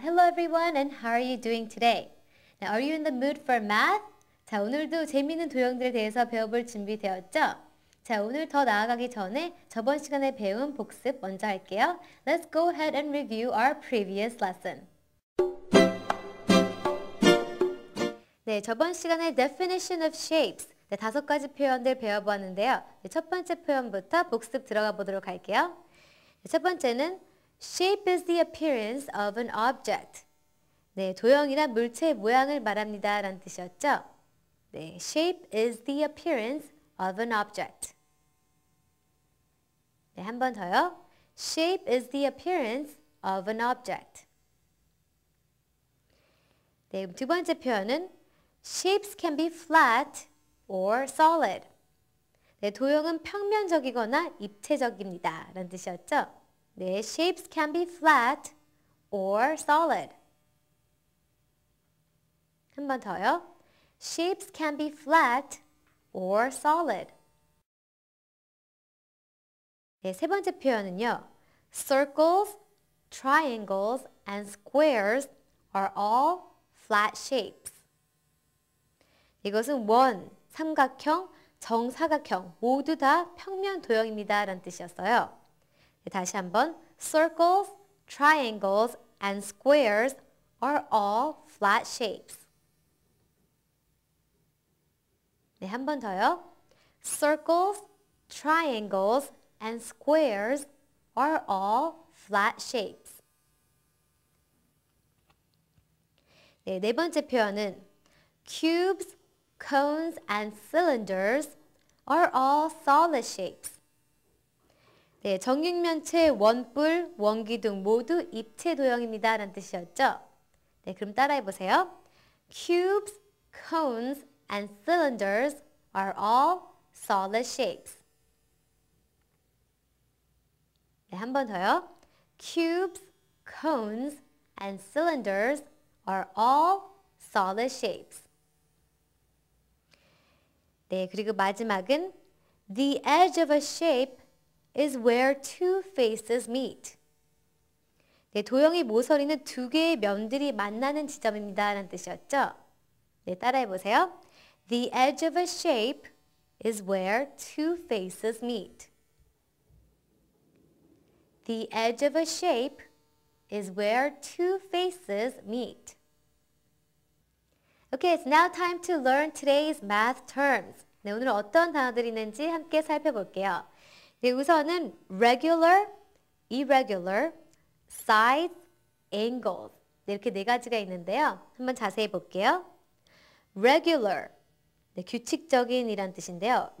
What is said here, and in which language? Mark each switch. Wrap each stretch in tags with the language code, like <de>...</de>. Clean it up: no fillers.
<en>Hello, everyone, and how are you doing today? Now, are you in the mood for math?</en> <ko>자, 오늘도 재미있는 도형들에 대해서 배워볼 준비 되었죠? 자, 오늘 더 나아가기 전에 저번 시간에 배운 복습 먼저 할게요.</ko> <en>Let's go ahead and review our previous lesson.</en> <ko>네, 저번 시간에</ko> <en>definition of shapes,</en> <ko>네, 다섯 가지 표현들 배워보았는데요. 네, 첫 번째 표현부터 복습 들어가 보도록 할게요. 첫 번째는</ko> <en>shape is the appearance of an object.</en> <ko>네, 도형이란 물체의 모양을 말합니다 라는 뜻이었죠.</ko> <en>네, shape is the appearance of an object. 네,</en> <ko>한 번 더요.</ko> <en>shape is the appearance of an object. 네,</en> <ko>두 번째 표현은</ko> <en>shapes can be flat or solid.</en> <ko>네, 도형은 평면적이거나 입체적입니다 라는 뜻이었죠.</ko> <en>네, shapes can be flat or solid.</en> <ko>한 번 더요.</ko> <en>shapes can be flat or solid.</en> <ko>네, 세 번째 표현은요.</ko> <en>circles, triangles, and squares are all flat shapes.</en> <ko>이것은 원, 삼각형, 정사각형 모두 다 평면 도형입니다 라는 뜻이었어요.</ko> <en>네,</en> <ko>다시 한번</ko> <en>circles, triangles, and squares are all flat shapes.</en> <ko>네, 한 번 더요.</ko> <en>circles, triangles, and squares are all flat shapes. 네,</en> <ko>네 번째 표현은</ko> <en>cubes, cones, and cylinders are all solid shapes.</en> <ko>네, 정육면체, 원뿔, 원기 등 모두 입체 도형입니다 라는 뜻이었죠. 네, 그럼 따라해 보세요.</ko> <en>Cubes, cones, and cylinders are all solid shapes.</en> <ko>네, 한 번 더요.</ko> <en>Cubes, cones, and cylinders are all solid shapes. 네,</en> <ko>그리고 마지막은</ko> <en>The edge of a shape is where two faces meet.</en> <ko>네, 도형의 모서리는 두 개의 면들이 만나는 지점입니다 라는 뜻이었죠. 네, 따라해 보세요.</ko> <en>The edge of a shape is where two faces meet. The edge of a shape is where two faces meet. Okay, it's now time to learn today's math terms.</en> <ko>네, 오늘 어떤 단어들이 있는지 함께 살펴볼게요. 네, 우선은 regular, irregular, sides, angles 네, 이렇게 네 가지가 있는데요. 한번 자세히 볼게요. regular, 네, 규칙적인 이란 뜻인데요.</ko>